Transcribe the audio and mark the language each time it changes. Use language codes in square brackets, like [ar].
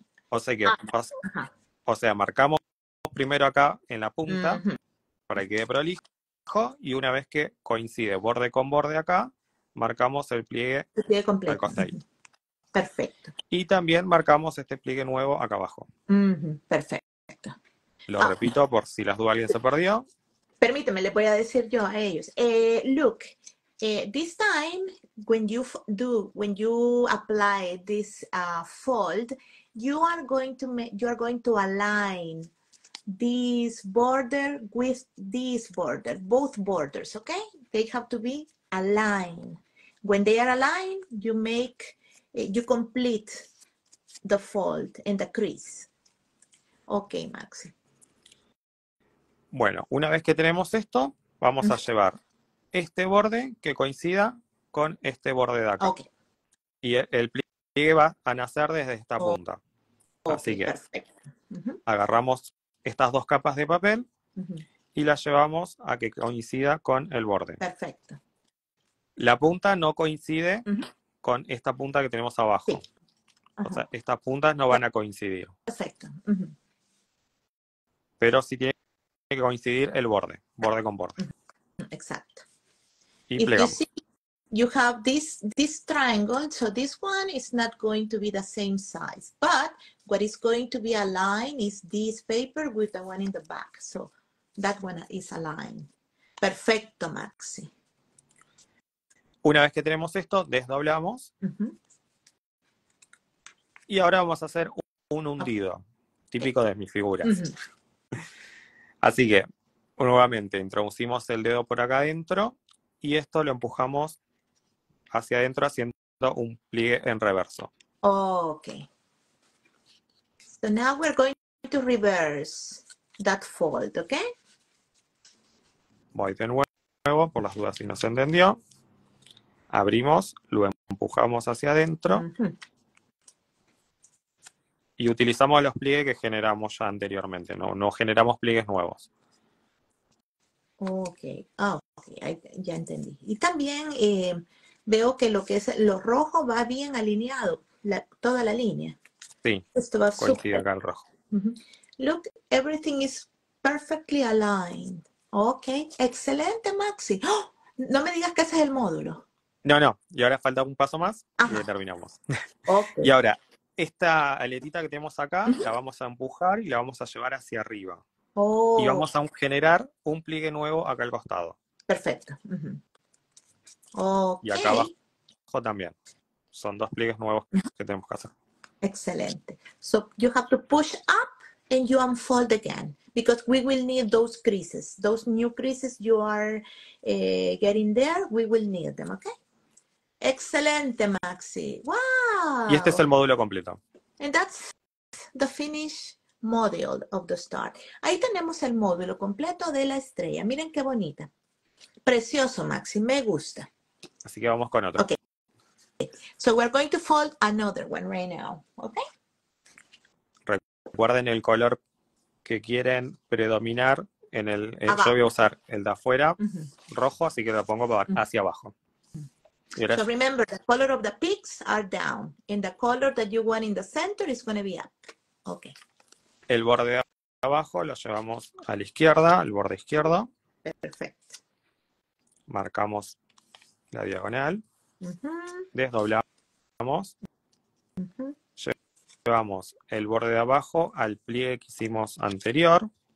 [es] O sea que, o sea, marcamos primero acá en la punta, para que quede prolijo, y una vez que coincide borde con borde acá, marcamos el pliegue completo. Al costadito. Perfecto. Y también marcamos este pliegue nuevo acá abajo. Perfecto. Lo repito por si las dudas alguien se perdió. Permíteme, le voy a decir yo a ellos. [en] Look, this time when you apply this fold, you are going to align this border with this border, both borders, okay? They have to be aligned. When they are aligned, you complete the fold and the crease. Okay, Maxi. [es] Bueno, una vez que tenemos esto, vamos a llevar este borde que coincida con este borde de acá. [en] Okay. [es] Y el pliegue va a nacer desde esta punta. [en] Okay, [es] así que agarramos estas dos capas de papel y las llevamos a que coincida con el borde. Perfecto. La punta no coincide con esta punta que tenemos abajo. Sí. O sea, estas puntas no van a coincidir. Perfecto. Pero si tiene que coincidir el borde, borde con borde. Exacto. Y plegamos. [en] You have this triangle, so this one is not going to be the same size, but what is going to be aligned is this paper with the one in the back, so that one is aligned. [es] Perfecto, Maxi. Una vez que tenemos esto, desdoblamos. Y ahora vamos a hacer un hundido, típico de mis figuras. Así que, nuevamente, introducimos el dedo por acá adentro y esto lo empujamos hacia adentro haciendo un pliegue en reverso. [en] Okay. So now we're going to reverse that fold, okay? [es] Voy de nuevo, por las dudas si no se entendió. Abrimos, lo empujamos hacia adentro. Y utilizamos los pliegues que generamos ya anteriormente, no generamos pliegues nuevos. Okay, ya entendí. Y también veo que lo que es lo rojo va bien alineado, toda la línea. Sí, esto va coincide super. Acá el rojo. [en] Look, everything is perfectly aligned. [es] Okay, excelente, Maxi. ¡Oh! No me digas que ese es el módulo. No, y ahora falta un paso más y ya terminamos. [en] Okay. [es] Y ahora, esta aletita que tenemos acá, la vamos a empujar y la vamos a llevar hacia arriba. Oh. Y vamos a generar un pliegue nuevo acá al costado. Perfecto. Okay. Y acá abajo también. Son dos pliegues nuevos que tenemos que hacer. Excelente. [en] So you have to push up and you unfold again. Because we will need those creases. Those new creases you are getting there, we will need them, okay? [es] Excelente, Maxi. Wow. Y este es el módulo completo. [en] And that's the finished module of the star. [es] Ahí tenemos el módulo completo de la estrella. Miren qué bonita. Precioso, Maxi. Me gusta. Así que vamos con otro. [en] Okay. So we're going to fold another one right now, okay? [es] Recuerden el color que quieren predominar en el. Yo voy a usar el de afuera, rojo, así que lo pongo hacia abajo. [en] So remember, the color of the peaks are down, and the color that you want in the center is going to be up. Okay. [es] El borde de abajo lo llevamos a la izquierda, al borde izquierdo. Perfecto. Marcamos la diagonal. Desdoblamos. Llevamos el borde de abajo al pliegue que hicimos anterior.